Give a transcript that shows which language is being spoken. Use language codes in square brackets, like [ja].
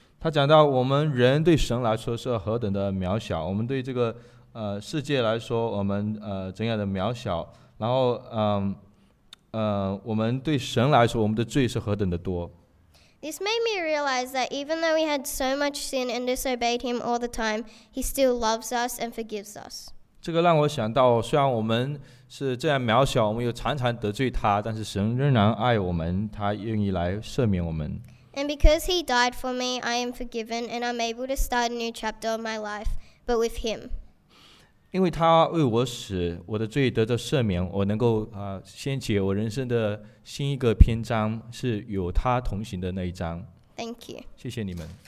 [zh] 他讲到我们人对神来说是何等的渺小，我们对这个世界来说，我们怎样的渺小。然后我们对神来说，我们的罪是何等的多。 [en] This made me realize that even though we had so much sin and disobeyed him all the time, he still loves us and forgives us. [zh] 这个让我想到，虽然我们是这样渺小，我们又常常得罪他，但是神仍然爱我们，他愿意来赦免我们。 [en] And because he died for me, I am forgiven and I'm able to start a new chapter of my life, but with him. [zh] 因为他为我死，我的罪得到赦免，我能够掀起我人生的新一个篇章，是有他同行的那一章。 [en] Thank you. [zh] 谢谢你们。